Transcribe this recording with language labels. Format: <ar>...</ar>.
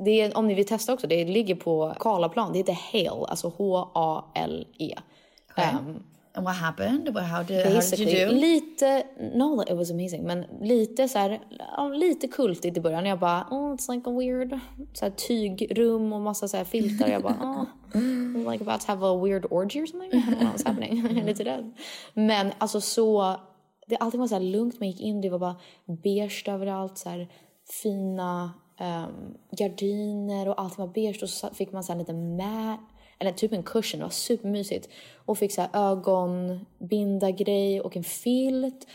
<sv>Det är, om ni vill testa också, det ligger på Karlaplan. Det heter Hale, alltså H-A-L-E.</sv> <en>Okay. And what happened? How did you do?</en> <sv>Lite,</sv> <en>no, it was amazing.</en> <sv>Men lite så här, lite kultigt i början. Jag bara,</sv> <en>oh, it's like a weird</en> <sv>så här tygrum och massa så här filtar. Jag bara,</sv> <en>oh, like about to have a weird orgy or something. I don't know what's happening.</en> <sv>Lite rädd. Men alltså så, det allting var så här lugnt. Man gick in, det var bara beige överallt, så här fina gardiner och allting var beige. Och så fick man så här lite mat. Eller typ en cushion, det var supermysigt. Och fick såhär ögonbinda grej och en filt.</sv>